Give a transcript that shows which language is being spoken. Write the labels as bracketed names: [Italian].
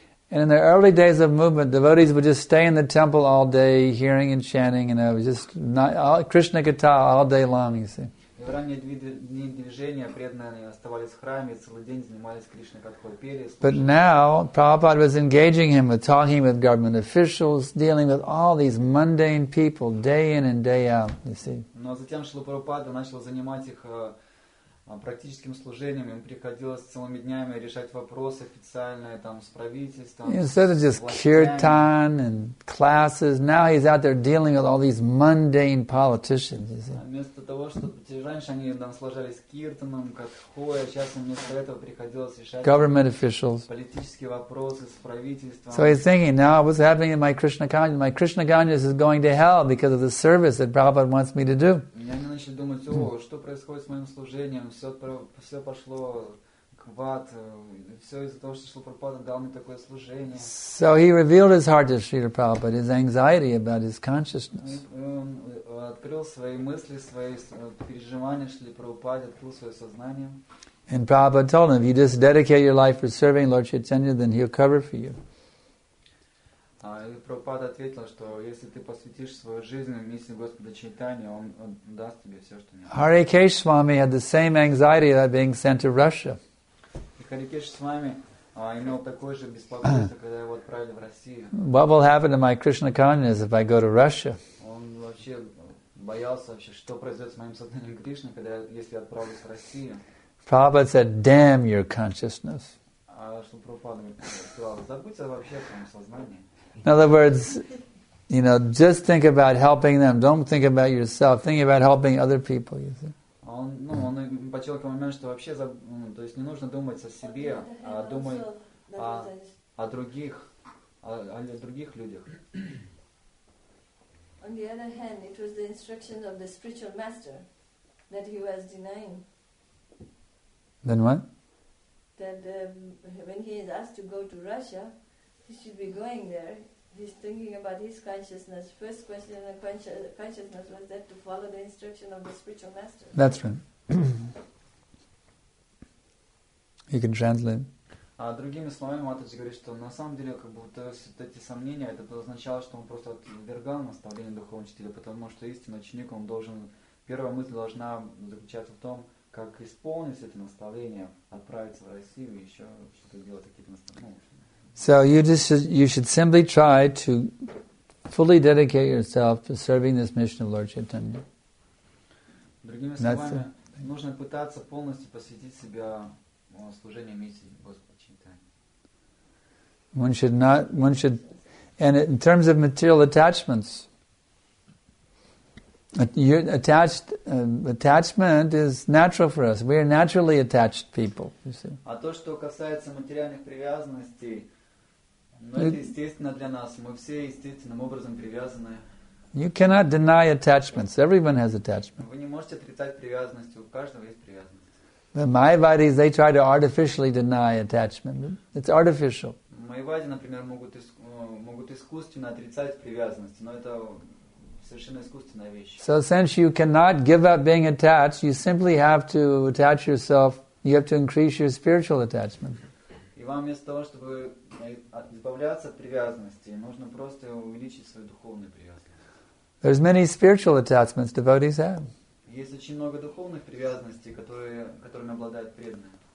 [English] And in the early days of movement, devotees would just stay in the temple all day, hearing and chanting, and Krishna Katha all day long, you see. [Russian] И в ранние дни движения преданные оставались в храме, целый день занимались Кришна Катхой, пели, слушали. [English] But now, Prabhupada was engaging him with talking with government officials, dealing with all these mundane people day in and day out, you see. [Russian] Но затем Шрила Прабхупада начал занимать их практическим служением, им приходилось целыми днями решать вопросы официальные там с правительством. [English] Instead of just kirtan and classes, now he's out there dealing with all these mundane politicians. [Russian] Вместо того, чтобы раньше они там сложались киртаном, катхой, сейчас им вместо этого приходилось решать [English] government officials [Russian] политические вопросы с правительством. [English] So he's thinking, now what's happening in my Krishna consciousness? My Krishna consciousness is going to hell because of the service that Prabhupada wants me to do. [Russian] И они начали думать, о, что происходит с моим служением? Все пошло к ват, все из-за того, что Шрила Прабхупада дал мне такое служение. [English] So he revealed his heart to Srila Prabhupada, his anxiety about his consciousness. [Russian] Он открыл свои мысли, свои переживания Шрила Прабхупада, открыл свое сознание. [English] And Prabhupada told him, if you just dedicate your life for serving Lord Chaitanya, then he'll cover for you. [Russian] И Прабхупада ответил, что если ты посвятишь свою жизнь миссии Господа Чайтанья, он даст тебе все, что необходимо. [English] Hare Keshe Swami had the same anxiety about being sent to Russia. [Russian] И Hare Keshe Swami имел такое же беспокойство, когда его отправили в Россию. [English] What will happen to my Krishna consciousness if I go to Russia? [Russian] Он вообще боялся вообще, что произойдет с моим сознанием Кришны, когда если я отправлюсь в Россию. [English] Prabhupada said, "Damn your consciousness." [Russian] А что Прабхупада сказал? Забудь вообще о своем сознании. [English] In other words, you know, just think about helping them. Don't think about yourself. Think about helping other people, you see. [Russian] Он почел к моменту, что вообще, то есть не нужно думать о себе, а думай о других людях. [English] On the other hand, it was the instruction of the spiritual master that he was denying. Then what? That when he is asked to go to Russia, he should be going there. he's thinking about his consciousness. First question in the consciousness was that to follow the instruction of the spiritual master. That's right. You can translate. [Russian] А другими словами, Матаджи говорит, что на самом деле, как бы, вот эти сомнения, это означало, что он просто отвергал наставление духовного учителя, потому что истинный ученик, он должен, первая мысль должна заключаться в том, как исполнить это наставление, отправиться в Россию и еще что-то сделать, какие-то наставления. [English] So you should simply try to fully dedicate yourself to serving this mission of Lord Chaitanya. [Russian] Другими словами, нужно пытаться полностью посвятить себя служению миссии Господа. [English] One should, and in terms of material attachments, attachment is natural for us. We are naturally attached people, you see. [Russian] А то, что касается материальных привязанностей, ну, это естественно для нас. Мы все естественным образом привязаны. [English] You cannot deny attachments. Everyone has attachments. [Russian] Вы не можете отрицать привязанности. У каждого есть привязанность. [English] The Mayavadis, they try to artificially deny attachment. It's artificial. [Russian] Майявади, например, могут искусственно отрицать привязанность, но это совершенно искусственная вещь. [English] So since you cannot give up being attached, you simply have to attach yourself, you have to increase your spiritual attachment. [Russian] И вам вместо того, чтобы избавляться от привязанности, нужно просто увеличить свою духовную привязанность. [English] There's many spiritual attachments devotees have. [Russian] Есть очень много духовных привязанностей, которыми обладают преданные.